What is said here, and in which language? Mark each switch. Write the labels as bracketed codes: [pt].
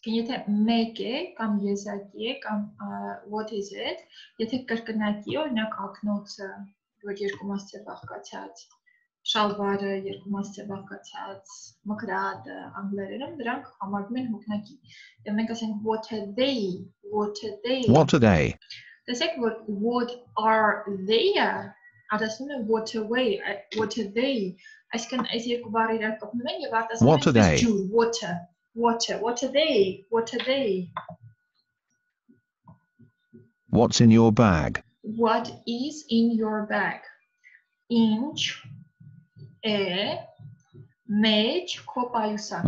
[hy] Եթե մեկ է, կամ եզակի է, կամ [en] what is it? [hy] Եթե կրկնակի, օրինակ ակնոցը, որ երկու մասից է բաղկացած, շալվարը երկու մասից է բաղկացած, մկրատը, անգլերենը, դրանք համարվում են հոգնակի։ Եթե մենք ասենք [en] what are they? What are they? What are they? [hy] Տեսեք, որ [en] what are they? [hy] Արդասում են [en] what away, what are they? [hy] Այսքան այս երկու բառը իրար կապվում են եւ արդասում են ջուր, [en] water. Water, what are they? What are they? What's in your bag? What is in your bag? [hy] Ինչ է մեջ քո պայուսակ։